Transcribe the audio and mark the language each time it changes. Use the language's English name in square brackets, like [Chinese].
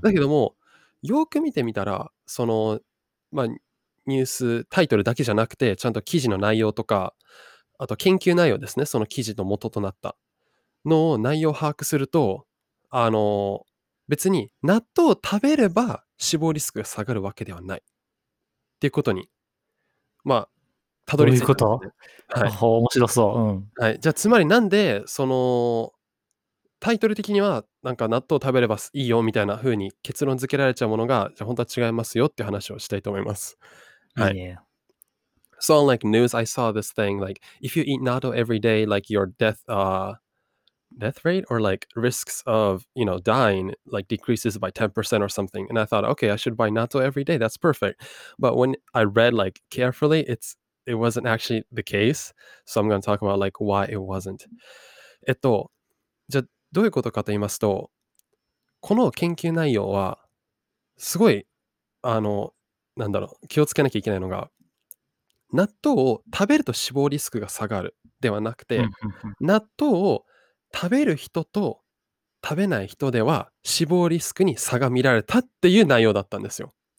[Japanese] だけどもよく見てみたら、そのまあニュースタイトルだけじゃなくて、ちゃんと記事の内容とか、あと研究内容ですね、その記事の元となったの内容を把握すると、別に納豆を食べれば死亡リスクが下がるわけではないっていうことに、まあ、たどり着いた、ね。どういうこと？はい。面白そう。うん。はい。じゃあ、つまりなんで、その、タイトル的には、なんか納豆を食べればいいよみたいな風に結論付けられちゃうものが、じゃ本当は違いますよって話をしたいと思います。はい。いいね、 [English] so, on like news, I saw this thing, like, if you eat natto every day, like, your death, death rate or like risks of, you know, dying like decreases by 10% or something. And I thought, okay, I should buy natto every day. That's perfect. But when I read like carefully, it wasn't actually the case. So I'm going to talk about like why it wasn't. [Japanese] じゃあどういうことかと言いますと、この研究内容はすごい、なんだろう、気をつけなきゃいけないのが、納豆を食べると死亡リスクが下がるではなくて、納豆を食べる人と食べない人では死亡リスクに差が見られたっていう内容だったんですよ。